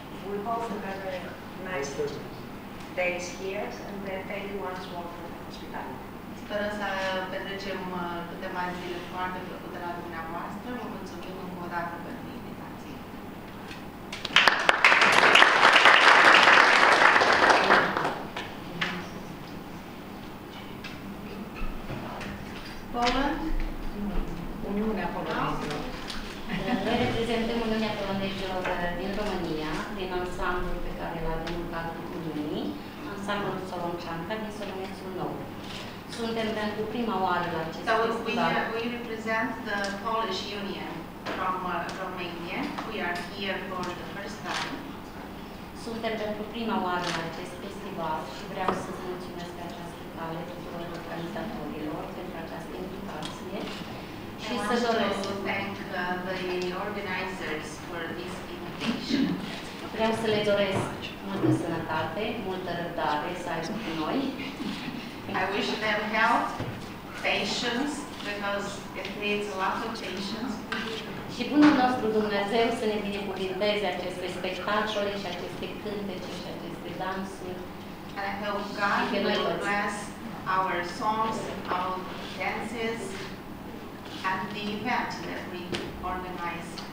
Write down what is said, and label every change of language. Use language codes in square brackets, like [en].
[en] We hope to have a nice days here and then thank you once more for the hospitality. [ro] Sperăm să petrecem câteva zile foarte plăcute la dumneavoastră. Vă mulțumim încă o dată pentru invitație. [en] Poland. [ro] Reprezentăm Uniunea Polonezilor din România, din ansamblul pe care îl avem în cadrul Uniunii, ansamblul Solonceanca din Solonețul Nou. Suntem pentru prima oară la acest festival. [en] We reprezent the Polish Union from Romania. We are here for the first time. [ro] Suntem pentru prima oară la acest festival și vreau să mulțumesc pe această cale tuturor organizatorilor pentru această invitație. [en] I want to thank the organizers for this invitation. [ro] Vreau să le doresc multă sănătate, multă răbdare să aibă cu noi. [en] I wish them health, patience, because it needs a lot of patience. [ro] Și bunul nostru Dumnezeu să ne binecuvinteze aceste spectacole și aceste cântece și aceste dansuri. [en] And I hope God will bless our songs, our dances, and the event that we organize.